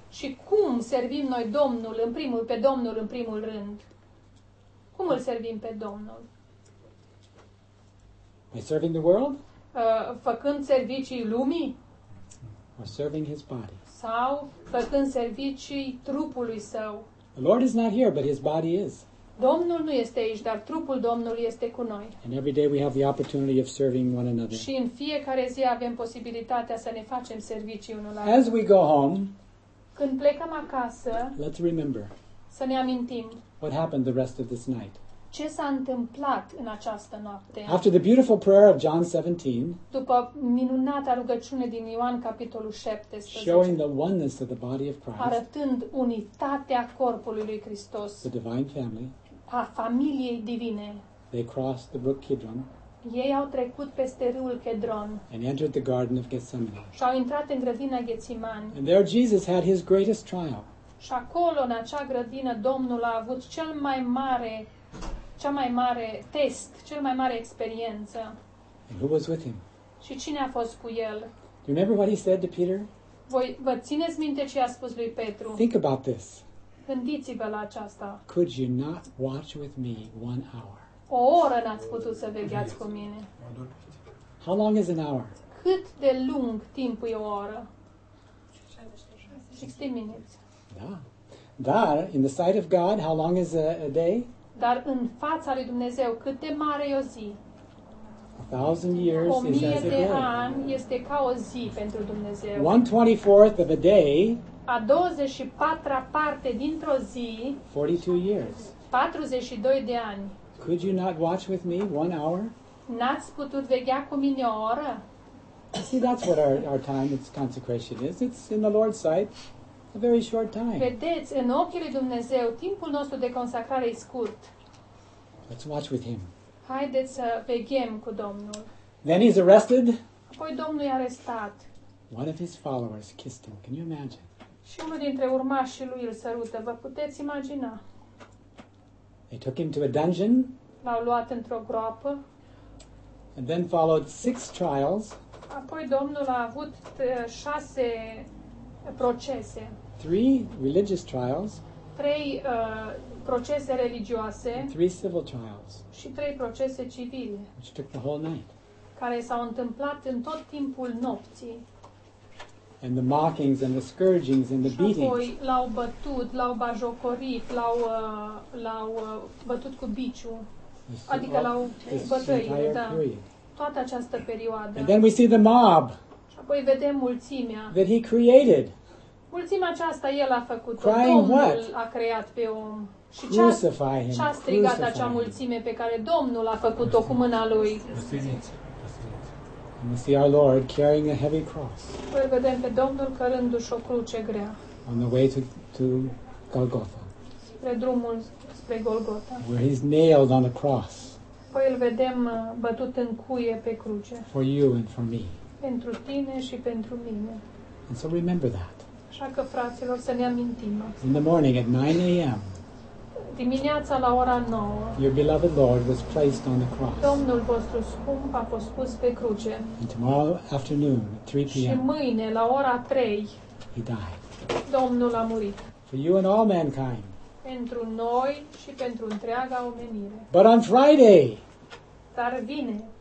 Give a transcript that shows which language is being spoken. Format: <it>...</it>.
<ro>Și cum servim noi Domnul în primul, pe Domnul în primul rând? Cum îl servim pe Domnul?</ro> <en>By serving the world?</en> <ro>Făcând servicii lumii?</ro> <en>Or serving his body?</en> <ro>Sau făcând servicii trupului său?</ro> <en>The Lord is not here, but his body is.</en> <ro>Domnul nu este aici, dar trupul Domnului este cu noi.</ro> <en>And every day we have the opportunity of serving one another.</en> <ro>Și în fiecare zi avem posibilitatea să ne facem servicii unul altuia.</ro> <en>As we go home,</en> <ro>când plecăm acasă,</ro> <en>let's remember.</en> <ro>Să ne amintim.</ro> <en>What happened the rest of this night?</en> <ro>Ce s-a întâmplat în această noapte?</ro> <en>After the beautiful prayer of John 17,</en> <ro>după minunata rugăciune din Ioan capitolul 17,</ro> <en>showing the oneness of the body of Christ,</en> <ro>arătând unitatea corpului lui Hristos,</ro> <en>the divine family,</en> <ro>a familiei divine,</ro> <en>they crossed the brook Kidron,</en> <ro>ei au trecut peste râul Kedron,</ro> <en>and entered the garden of Gethsemane,</en> <ro>și au intrat în grădina Ghețiman,</ro> <en>and there Jesus had his greatest trial.</en> <ro>Și acolo, în acea grădină, Domnul a avut cel mai mare, cea mai mare test, cel mai mare experiență.</ro> <en>And who was with him?</en> <ro>Și cine a fost cu el?</ro> <en>Do you remember what he said to Peter?</en> <ro>Voi vă țineți minte ce a spus lui Petru?</ro> <en>Think about this.</en> <ro>Gândiți-vă la aceasta.</ro> <en>Could you not watch with me one hour?</en> <ro>O oră n-ați putut să vegheați cu mine.</ro> <en>How long is an hour?</en> <ro>Cât de lung timp e o oră?</ro> <en>60 minutes.</en> <ro>Da. Dar,</ro> <en>in the sight of God, how long is a day?</en> <ro>Dar în fața lui Dumnezeu, cât de mare e o zi?</ro> <en>A thousand years is as a day.</en> <ro>1000 de ani este ca o zi pentru Dumnezeu.</ro> <en>1/24th of a day.</en> <ro>A 24-a parte dintr-o zi.</ro> <en>42 years.</en> <ro>42 de ani.</ro> <en>Could you not watch with me one hour?</en> <ro>N-ați putut veghea cu mine o oră?</ro> <en>See, that's what our time, its consecration is. It's in the Lord's sight. A very short time.</en> <ro>Vedeți, în ochii lui Dumnezeu, timpul nostru de consacrare e scurt.</ro> <en>Let's watch with him.</en> <ro>Haideți să veghem cu Domnul.</ro> <en>Then he's arrested.</en> <ro>Apoi Domnul e arestat.</ro> <en>One of his followers kissed him. Can you imagine?</en> <ro>Și unul dintre urmașii lui îl sărută. Vă puteți imagina?</ro> <en>They took him to a dungeon.</en> <ro>L-au luat într-o groapă.</ro> <en>And then followed 6 trials.</en> <ro>Apoi Domnul a avut 6 procese.</ro> <en>3 religious trials.</en> <ro>3 procese religioase.</ro> <en>3 civil trials.</en> <ro>Și 3 procese civile.</ro> <en>Which took the whole night.</en> <ro>Care s-au întâmplat în tot timpul nopții.</ro> <en>And the mockings and the scourgings and the beatings.</en> <ro>Și apoi l-au bătut, l-au bajocorit, l-au bătut cu biciu. Adică l-au bătăi, da. Toată această perioadă.</ro> <en>And then we see the mob.</en> <ro>Apoi vedem mulțimea.</ro> <en>That he created.</en> <ro>Mulțimea aceasta el a făcut-o.</ro> <en>Crying</en> <ro>Domnul</ro> <en>what?</en> <ro>A creat pe om.</ro> <en>Și crucify</en> <ro>ce-a, ce-a strigat</ro> <en>crucify</en> <ro>acea mulțime pe care Domnul a făcut-o cu mâna lui.</ro> <en>And we see our Lord carrying a heavy cross.</en> <ro>Apoi vedem pe Domnul cărându-și o cruce grea.</ro> <en>On the way to Golgotha.</en> <ro>Spre drumul spre Golgotha.</ro> <en>Where he's nailed on a cross.</en> <ro>Apoi îl vedem bătut în cuie pe cruce.</ro> <en>For you and for me.</en> <ro>Pentru tine și pentru mine.</ro> <en>And so remember that.</en> <ro>Așa că, fraților, să ne amintim.</ro> <en>In the morning at 9 a.m.</en> <ro>Dimineața la ora 9.</ro> <en>Your beloved Lord was placed on the cross.</en> <ro>Domnul vostru scump a fost pus pe cruce.</ro> <en>And tomorrow afternoon at 3 p.m.</en> <ro>Și mâine la ora 3.</ro> <en>He died.</en> <ro>Domnul a murit.</ro> <en>For you and all mankind.</en> <ro>Pentru noi și pentru întreaga omenire.</ro> <en>But on Friday.</en> <ro>Dar vine.</ro>